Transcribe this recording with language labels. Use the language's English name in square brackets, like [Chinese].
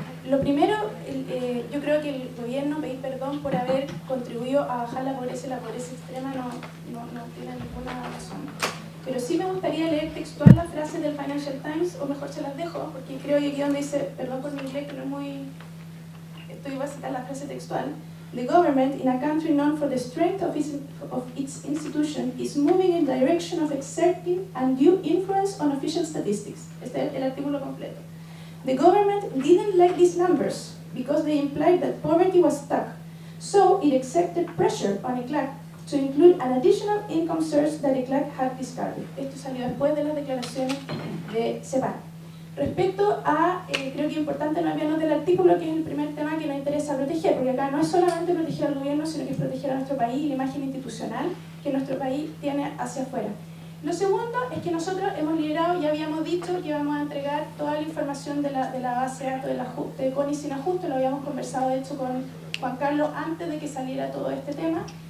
[Spanish] Lo primero, yo creo que el gobierno pedir perdón por haber contribuido a bajar la pobreza extrema no tiene ninguna razón. Pero sí me gustaría leer textual la frase del Financial Times, o mejor se las dejo, porque creo que aquí donde dice, perdón por mi inglés, que no es muy... Estoy a citar la frase textual. [English] The government, in a country known for the strength of its institution, is moving in direction of exerting undue influence on official statistics. [Spanish] Este es el artículo completo. [English] The government didn't like these numbers because they implied that poverty was stuck. So it exerted pressure on ECLAC to include an additional income source that ECLAC had discarded. [Spanish] Esto salió después de las declaraciones de CEPAL. Respecto a, creo que es importante no olvidarnos del artículo, que es el primer tema que nos interesa proteger, porque acá no es solamente proteger al gobierno, sino que es proteger a nuestro país y la imagen institucional que nuestro país tiene hacia afuera. Lo segundo es que nosotros hemos liderado y habíamos dicho que íbamos a entregar toda la información de la base de datos del ajuste de CONI sin ajuste. Lo habíamos conversado, de hecho, con Juan Carlos antes de que saliera todo este tema.